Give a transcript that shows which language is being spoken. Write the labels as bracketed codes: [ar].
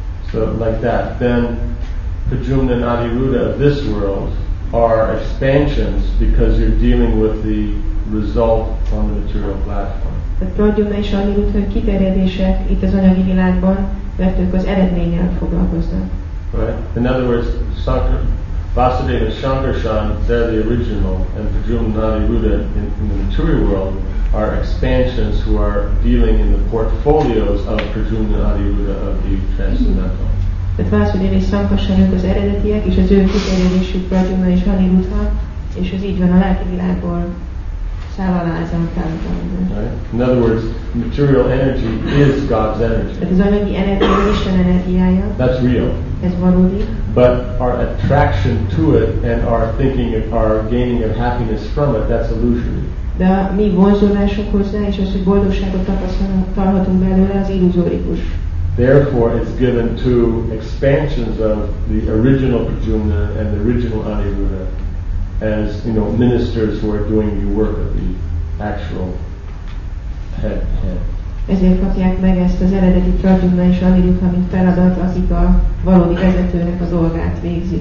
[en] So like that, then Prajumna and Adiruddha of this world are expansions because you're dealing with the result on the material platform. [hu] A Prajumna és Adiruddha kiterjedések itt az anyagi világban, mert ők az eredménnyel foglalkoznak. [en] Right. In other words, Vasudeva Shankarshan, they're the original, and Prajumna and Adiruddha in the material world are expansions who are dealing in the portfolios of Prajumna and Adiruddha of the transcendental. [hu] Tehát Vászudéva és Sankarsan ők az eredetiek, és az ő kiterjedésük Prajumna és Adiruddha, és ez így van a lelki világból szávalázom támogatom. [en] In other words, material energy is God's energy. [hu] Tehát az anyagi energia Isten energiája. [en] That's real. [hu] Ez valódi. [en] But our attraction to it and our thinking of our gaining of happiness from it, that's illusory. [hu] De mi vonzolásunk hozzá, és az, hogy boldogságot tapasztalhatunk belőle, az illuzórikus. [en] Therefore, it's given to expansions of the original Prajumna and the original Adiruddha as, you know, ministers who are doing the work of the actual head. [hu] Ezért kapják meg ezt az eredeti Prajumna és Adiruddha, mint feladat, akik a valódi vezetőnek a dolgát végzi.